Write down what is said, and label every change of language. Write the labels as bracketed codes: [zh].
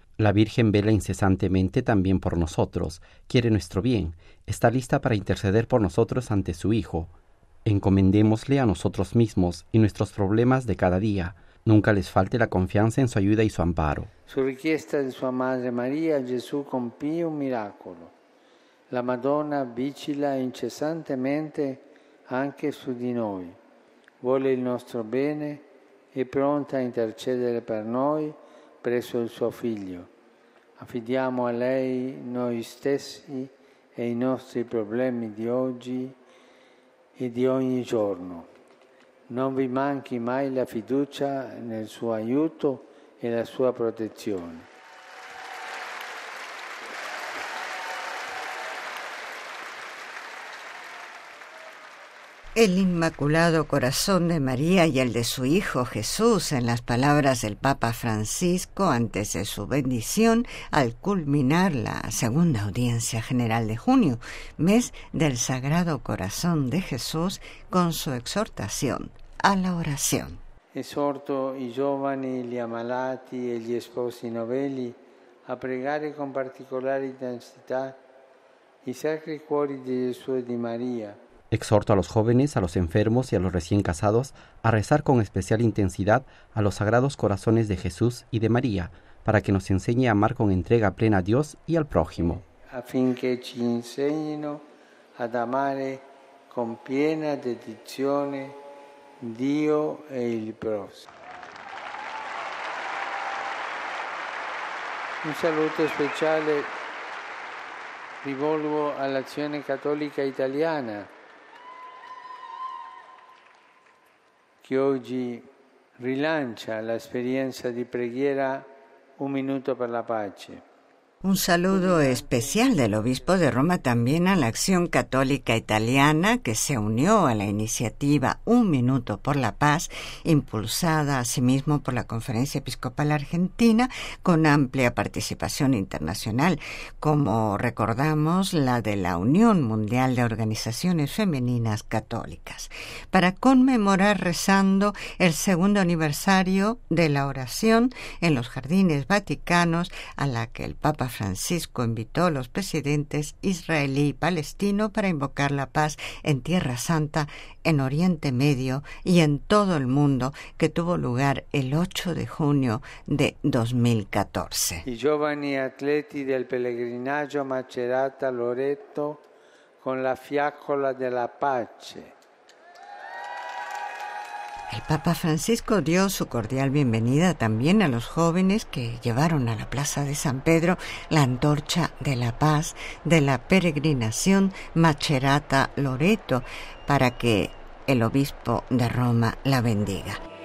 [es] La Virgen vela incesantemente también por nosotros, quiere nuestro bien, está lista para interceder por nosotros ante su Hijo. Encomendémosle a nosotros mismos y nuestros problemas de cada día. Nunca les falte la confianza en su ayuda y su amparo. [it] Su richiesta [es] de su madre [it] María, Jesús compì un miracolo. La Madonna vigila incessantemente anche su di noi. Vuole il nostro bene e pronta a intercedere per noi presso il suo Figlio. Affidiamo a lei noi stessi e i nostri problemi di oggi e di ogni giorno. Non vi manchi mai la fiducia nel suo aiuto e la sua protezione. [es] El Inmaculado Corazón de María y el de su Hijo Jesús, en las palabras del Papa Francisco antes de su bendición al culminar la segunda audiencia general de junio, mes del Sagrado Corazón de Jesús, con su exhortación a la oración. [it] Exhorto i giovani, gli ammalati e gli sposi novelli a pregare con particolare intensità i sacri cuori di Gesù e di Maria. [es] Exhorto a los jóvenes, a los enfermos y a los recién casados a rezar con especial intensidad a los sagrados corazones de Jesús y de María, para que nos enseñe a amar con entrega plena a Dios y al prójimo. [it] Affinché ci insegnino ad amare con piena dedizione Dio e il prossimo. Un saluto speciale rivolgo all'Azione Cattolica Italiana, che oggi rilancia l'esperienza di preghiera un minuto per la pace. [es] Un saludo especial del Obispo de Roma también a la Acción Católica Italiana, que se unió a la iniciativa Un Minuto por la Paz, impulsada asimismo por la Conferencia Episcopal Argentina, con amplia participación internacional, como recordamos la de la Unión Mundial de Organizaciones Femeninas Católicas, para conmemorar rezando el segundo aniversario de la oración en los Jardines Vaticanos, a la que el Papa Francisco invitó a los presidentes israelí y palestino para invocar la paz en Tierra Santa, en Oriente Medio y en todo el mundo, que tuvo lugar el 8 de junio de 2014. [it] I giovani atleti del pellegrinaggio Macerata Loreto con la fiaccola della pace. [es] El Papa Francisco dio su cordial bienvenida también a los jóvenes que llevaron a la Plaza de San Pedro la antorcha de la paz de la peregrinación Macerata Loreto, para que el Obispo de Roma la bendiga.